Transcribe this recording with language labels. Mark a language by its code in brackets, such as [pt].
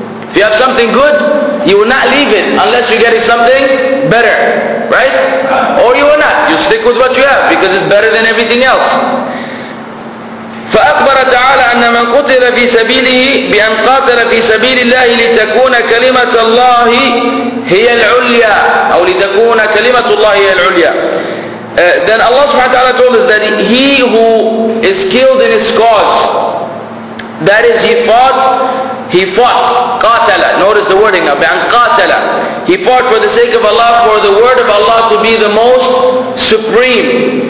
[en] If you have something good, you will not leave it unless you're getting something better, right? Or you will not. You stick with what you have because it's better than everything else. [ar] فأخبر تعالى أن من قتل في سبيله بأن قاتل في سبيل الله لتكون كلمة الله هي العليا أو لتكون كلمة الله هي العليا. [en] Then Allah subhanahu wa ta'ala told us that he who is killed in his cause, that is, he fought, قاتل, notice the wording of [ar] بأن قاتل, [en] he fought for the sake of Allah, for the word of Allah to be the most supreme.